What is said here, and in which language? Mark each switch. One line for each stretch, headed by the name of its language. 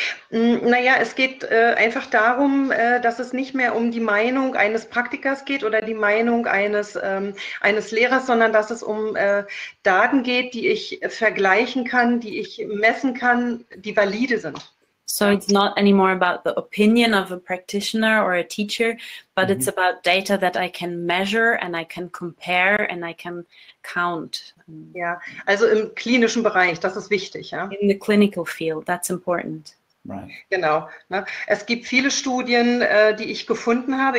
German: Naja, es geht einfach darum, dass es nicht mehr um die Meinung eines Praktikers geht oder die Meinung eines Lehrers, sondern dass es um Daten geht, die ich vergleichen kann, die ich messen kann, die valide sind.
English: So it's not anymore about the opinion of a practitioner or a teacher, but mm-hmm. it's about data that I can measure and I can compare and I can count.
German: Yeah, also im klinischen Bereich, das ist wichtig, ja?
English: In the clinical field, that's important. Right.
German: Genau. Ne? Es gibt viele Studien, die ich gefunden habe.